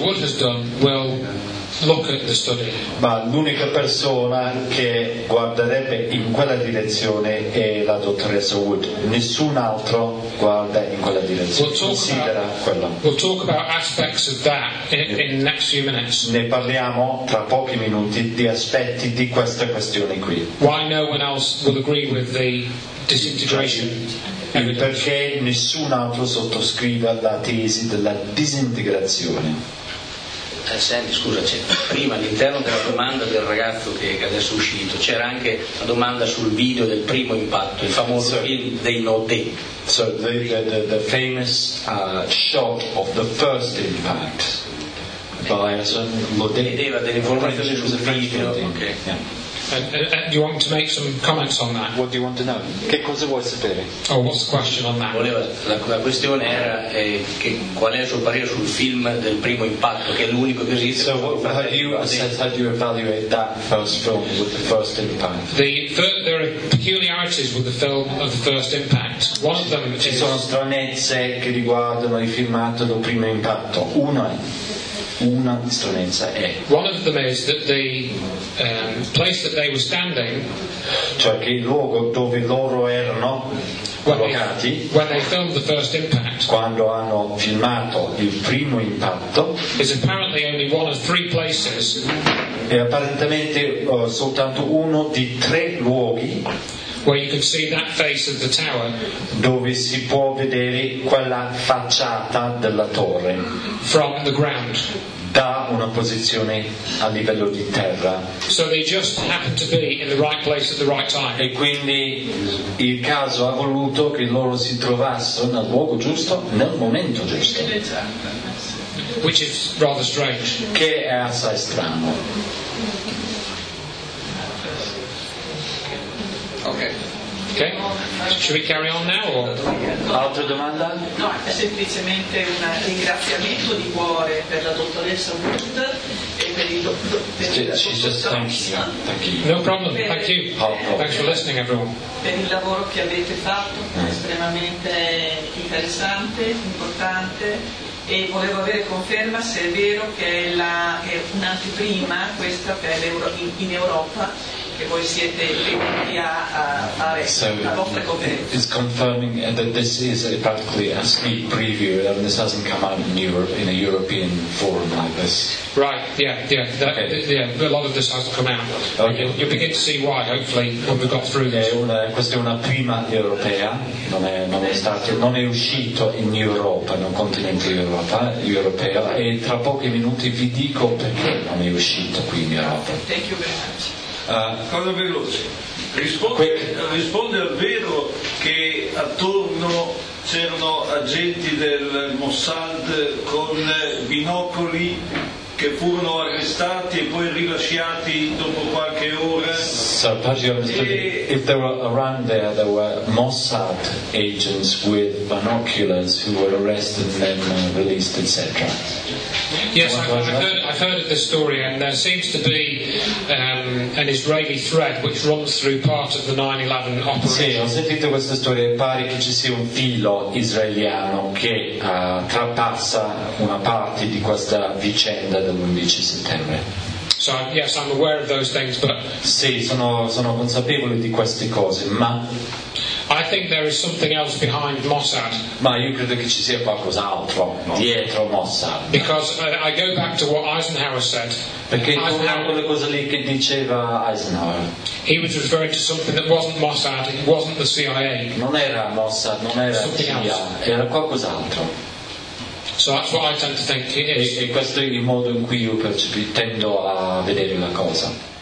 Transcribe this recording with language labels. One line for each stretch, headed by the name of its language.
English: Wood has done will look at the study.
Italian: Ma l'unica persona che guarderebbe in quella direzione è la dottoressa Wood. Nessun altro guarda in quella direzione.
English: We'll talk about aspects of that in the next few minutes.
Italian: Ne parliamo tra pochi minuti di aspetti di questa questione qui.
English: Why no one else will agree with the disintegration?
Italian: Perché nessun altro sottoscriva la tesi della disintegrazione. Senti, scusa, prima all'interno della domanda del ragazzo che adesso è uscito c'era anche la domanda sul video del primo impatto, il famoso film dei Noté.
English: So the famous shot of the first impact by Alain Noté.
Italian: Vedeva delle informazioni sul video. Okay.
English: Do you want to make some comments on that? What do you want to know?
Italian: Che cosa vuoi sapere?
English: Oh, what's the question on that?
Italian: La questione era che qual è il suo parere sul film del primo impatto, che è l'unico che esiste.
English: So, how do you evaluate that first film with the first impact? There are peculiarities with the film of the first impact. One of them is.
Italian: Ci sono stranezze che riguardano il filmato del primo impatto. Una stranezza è.
English: One of them is that the place that they were standing,
Italian: cioè che il luogo dove loro erano collocati,
English: when they filmed the first impact,
Italian: quando hanno filmato il primo impatto,
English: is apparently only one of three places,
Italian: è apparentemente soltanto uno di tre luoghi,
English: where you can see that face of the tower,
Italian: dove si può vedere quella facciata della torre,
English: from the ground,
Italian: da una posizione a livello di terra.
English: So they just happened to be in the right place at the right time.
Italian: E quindi il caso ha voluto che loro si trovassero nel luogo giusto nel momento giusto.
English: Which is rather strange.
Italian: Che è assai strano.
English: Okay. Should we carry on now?
Italian: Altra domanda? No, è semplicemente un ringraziamento di cuore per la dottoressa Wood e per il
English: thank you. No problem. Thank you. Thanks for listening, everyone.
Italian: Per il lavoro che avete fatto, estremamente interessante, importante. E volevo avere conferma se è vero che è un'anteprima questa per in Europa.
English: It's confirming that this is practically a sneak preview, and this hasn't come out in Europe in a European forum like this. Right. Yeah. A lot of this hasn't come out. Okay. You'll begin to see why. Hopefully, when we've got through this.
Italian: Questa è una prima europea. Non è uscito in Europa, non continente Europa, europea. E tra pochi minuti vi dico perché non è uscito qui in Europa.
English: Thank you very much.
Italian: Cosa veloce, risponde al vero che attorno c'erano agenti del Mossad con binocoli che furono arrestati e poi rilasciati dopo qualche ora?
English: So, if they were around there were Mossad agents with binoculars who were arrested and then released, etc. Yes, I've heard of this story, and there seems to be an Israeli thread which runs through part of the 9/11 operation.
Italian: Sì, ho sentito questa storia, e pare che ci sia un filo israeliano che trapassa una parte di questa vicenda dell'11 settembre.
English: So, yes, I'm aware of those things, but...
Italian: Sì, sono consapevole di queste cose, ma...
English: I think there is something else behind Mossad.
Italian: Ma io credo che ci sia qualcos'altro dietro Mossad.
English: Because I go back to what Eisenhower said.
Italian: Perché Eisenhower, quelle cose lì che diceva Eisenhower.
English: He was referring to something that wasn't Mossad, it wasn't the CIA.
Italian: Non era Mossad, non era
English: something
Italian: CIA,
English: else.
Italian: Era qualcos'altro.
English: So that's what I tend to think it is.
Italian: E questo è il modo in cui io tendo a vedere la cosa.